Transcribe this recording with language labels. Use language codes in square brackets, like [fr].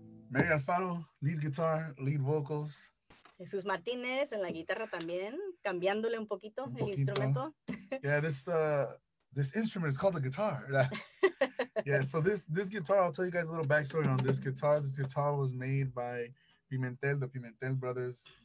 [en] Mary Alfaro, lead guitar, lead vocals. [es] Jesús Martinez en la guitarra también, cambiándole un poquito el instrumento. [en] Yeah, this instrument is called a guitar. Yeah, so this guitar, I'll tell you guys a little backstory on this guitar. This guitar was made by Pimentel, the Pimentel brothers.